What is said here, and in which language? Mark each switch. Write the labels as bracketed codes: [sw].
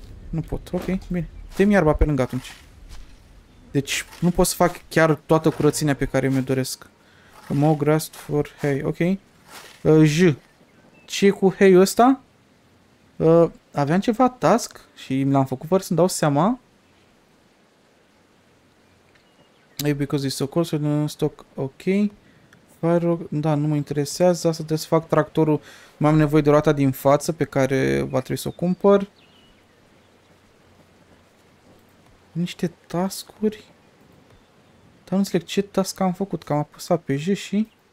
[ro] Nu pot, ok, bine. Dă-mi iarba pe lângă atunci. Deci nu pot să fac chiar toată curățenia pe care mi-o doresc. [en] More grass for hay, ok. J. [ro] Ce e cu hay-ul ăsta? Aveam ceva task și l-am făcut fără să-mi dau seama. [en] Maybe because it's so cold, so don't stock, ok. [ro] Da, nu mă interesează, asta trebuie să fac tractorul. Mai am nevoie de roata din față pe care va trebui să o cumpăr. Niște task-uri. Dar nu înțeleg ce task am făcut, că am apăsat pe J și...